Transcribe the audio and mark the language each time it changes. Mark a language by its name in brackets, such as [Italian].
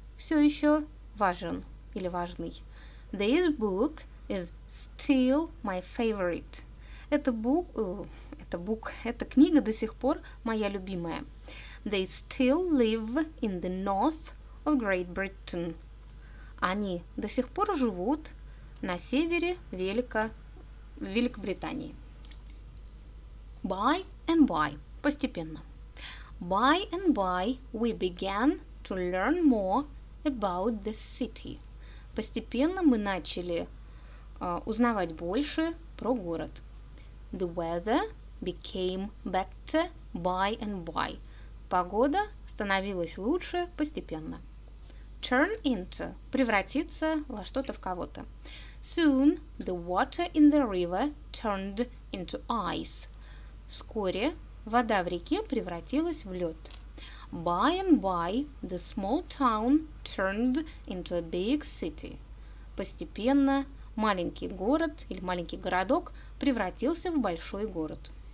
[Russian] Все еще важен. Или важный. [English] This book is still my favorite. [Russian] Эта книга до сих пор моя любимая. [English] They still live in the north of Great Britain. [Russian] Они до сих пор живут на севере Великобритании. [English] By and by. Постепенно. By and by we began to learn more about the city. [Russian] Постепенно мы начали узнавать больше про город. [English] The weather became better by and by. [Russian] Погода становилась лучше постепенно. [English] turn into, [Russian] превратиться во что-то, в кого-то. [English] Soon the water in the river turned into ice. [Russian] Вскоре вода в реке превратилась в лед. [English] By and by the small town turned into a big city. [Russian] Постепенно маленький город или маленький городок превратился в большой город.